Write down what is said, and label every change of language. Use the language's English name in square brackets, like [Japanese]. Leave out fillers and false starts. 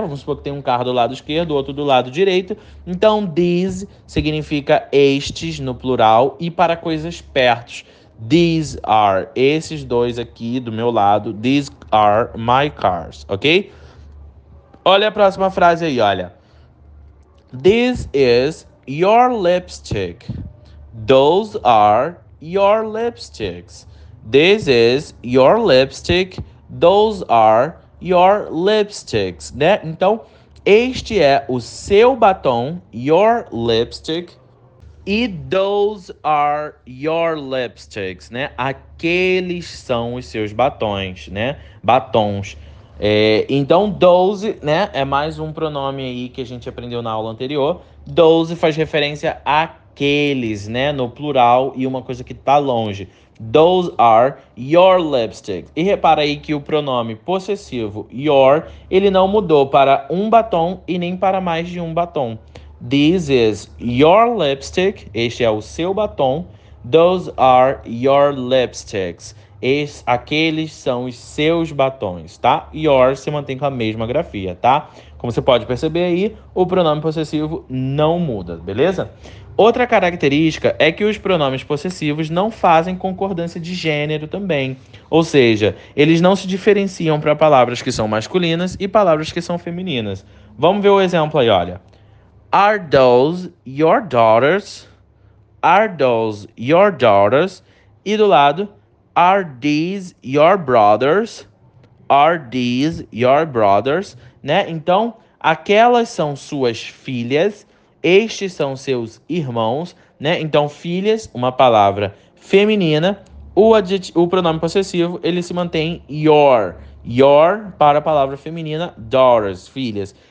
[Portuguese] Vamos supor que tem um carro do lado esquerdo, outro do lado direito. Então, these significa estes no plural e para coisas perto. [English] These are [Portuguese] esses dois aqui do meu lado. [English] These are my cars, ok? [Portuguese] Olha a próxima frase aí, olha. [English] This is your lipstick. Those are your lipsticks. This is your lipstick. Those are your lipsticks, né? [Portuguese] Então, este é o seu batom, [English] your lipstick. E those are your lipsticks, né? [Portuguese] Aqueles são os seus batons, né? Batons. Então, those, né? É mais um pronome aí que a gente aprendeu na aula anterior. Those faz referência àqueles, né? No plural e uma coisa que tá longe. [English] Those are your lipsticks. [Portuguese] E repara aí que o pronome possessivo your, ele não mudou para um batom e nem para mais de um batom. [English] This is your lipstick. [Portuguese] Este é o seu batom. [English] Those are your lipsticks. [Portuguese] Aqueles são os seus batons, tá? Your se mantém com a mesma grafia, tá? Como você pode perceber aí, o pronome possessivo não muda, beleza? Outra característica é que os pronomes possessivos não fazem concordância de gênero também. Ou seja, eles não se diferenciam para palavras que são masculinas e palavras que são femininas. Vamos ver o exemplo aí, olha. [English] Are those your daughters? Are those your daughters? [Portuguese] E do lado, [English] are these your brothers? Are these your brothers? [Portuguese] Né? Então, aquelas são suas filhas, estes são seus irmãos, né? Então, filhas, uma palavra feminina, o pronome possessivo, ele se mantém your. Your para a palavra feminina, daughters, filhas.